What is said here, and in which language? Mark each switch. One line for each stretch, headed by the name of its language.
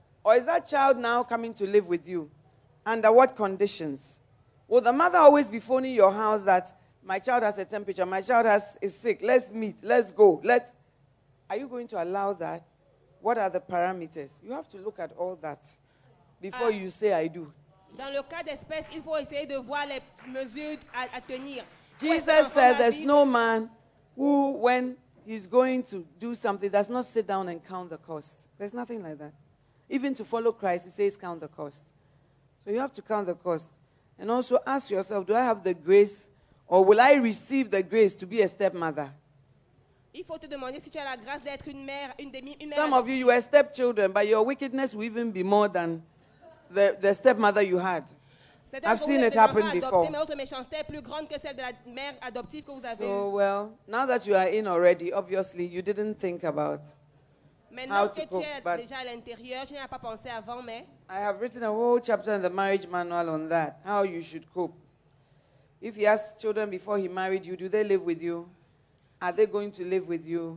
English: Or is that child now coming to live with you? Under what conditions? Will the mother always be phoning your house that my child has a temperature, my child is sick, let's meet, let's go, are you going to allow that? What are the parameters? You have to look at all that before you say I do.
French: Dans le cas d'espèce, il faut essayer de voir les mesures à tenir.
English: Jesus said there's no man who, when he's going to do something, does not sit down and count the cost. There's nothing like that. Even to follow Christ, he says count the cost. So you have to count the cost. And also ask yourself, do I have the grace or will I receive the grace to be a stepmother?
French: Il faut te demander si tu as la grâce d'être une mère, une demi, une mère.
English: Some of you are stepchildren, but your wickedness will even be more than the stepmother you had. I've seen it happen before.
French: Mais votre méchanceté est plus grande que celle de la mère adoptive que vous avez.
English: So well, now that you are in already, obviously you didn't think about how to cope.
French: Maintenant que tu es déjà à l'intérieur, tu n'y as pas pensé avant, mais.
English: I have written a whole chapter in the marriage manual on that, how you should cope. If he has children before he married you, do they live with you? Are they going to live with you?